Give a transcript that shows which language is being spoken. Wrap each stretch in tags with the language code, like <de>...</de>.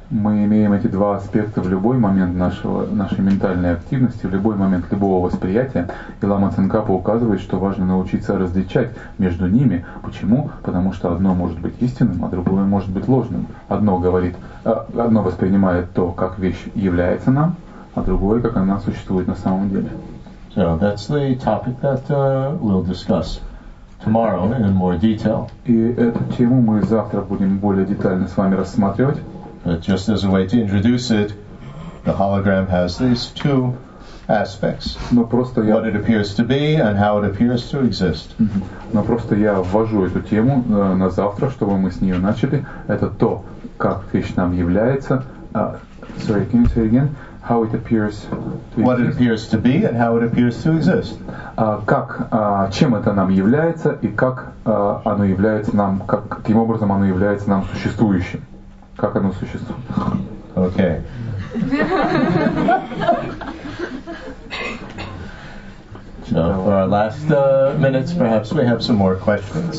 <ru>Мы имеем эти два аспекта в любой момент нашей ментальной активности, в любой момент любого восприятия. И Лама Цинкапа указывает, что важно научиться различать между ними. Почему? Потому что одно может быть истинным, а другое может быть ложным. Одно воспринимает то, как вещь является нам, а другое, как она существует на самом деле.</ru> <en>So that's the topic that we'll discuss tomorrow in more detail.</en> <ru>И эту тему мы завтра будем более детально с вами рассматривать.</ru> <en>But just as a way to introduce it, the hologram has these two aspects.</en> <ru>Но просто я...</ru> <en>What it appears to be and how it appears to exist.</en> <ru>Но просто я ввожу эту тему на завтра, чтобы мы с нее начали. Это то, как вещь нам является.</ru> <en>Sorry, can you say it again? How it appears to what exist. It appears to be and how it appears to exist.</en> <ru>как, чем это нам является и как оно является нам, как, каким образом оно является нам существующим, как оно существует.</ru> <en>Okay. So for our last minutes, perhaps we have some more questions.</en>